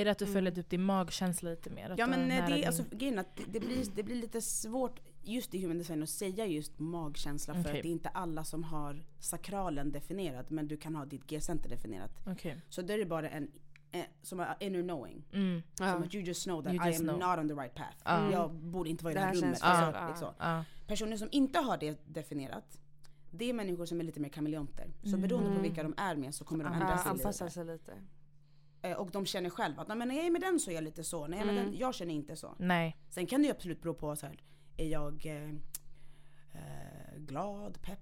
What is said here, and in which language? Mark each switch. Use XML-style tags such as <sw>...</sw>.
<sv>Är det att du följer upp din magkänsla lite mer? Ja, men det blir lite svårt just i human design att säga just magkänsla, för att det är inte alla som har sakralen definierat, men du kan ha ditt G-center definierat. Så det är bara en som är</sv> <en>inner knowing.</en> <sv>Som att</sv> <en>you just know that just I am not on the right path.</en> <sv>Jag borde inte vara i det här rummet. Personer som inte har det definierat, det är människor som är lite mer kameleonter. Så beroende på vilka de är med, så kommer de ändra sig lite. Och de känner själv att nej, jag är med den så är jag lite så. Nej, men jag känner inte så. Nej. Sen kan det ju absolut bero på så här, är jag glad, pepp?</sv>